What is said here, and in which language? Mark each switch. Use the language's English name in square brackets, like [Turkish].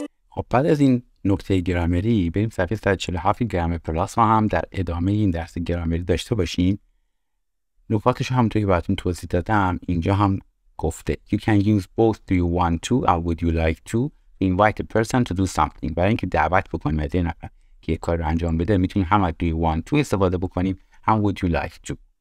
[Persian] خب بعد از این نکته گرامری بریم صفحه 147 گرامر پلاس و هم در ادامه این درس گرامری داشته باشیم. نکاتش همونطور که براتون توضیح دادم اینجا هم گفته. [English] You can use both do you want to or would you like to invite a person to do something. [Persian] برای اینکه دعوت بکنیم از یه نفر که یک کار رو انجام بده میتونیم هم [English] do you want to [Persian] استفاده بکنیم هم [English] would you like to.